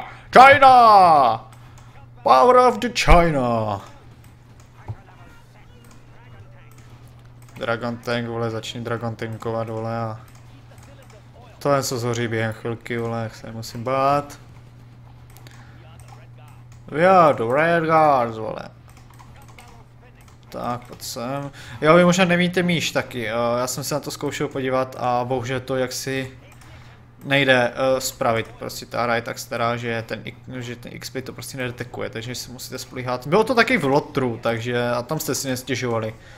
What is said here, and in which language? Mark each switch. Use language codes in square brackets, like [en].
[en] China! Power of the China! [cs] Dragon tank, vole, začni dragon tankovat, vole, a to je co zhoří během chvilky, vole, jak se musím bát. [en] We are the Red Guards, vole. [cs] Tak, pojď sem. Jo, vy možná nevíte míš taky, já jsem se na to zkoušel podívat a bohužel to jaksi nejde spravit, prostě ta hra je tak stará, že ten XP to prostě nedetekuje, takže se musíte spolíhat. Bylo to taky v lotru, takže a tam jste si nestěžovali.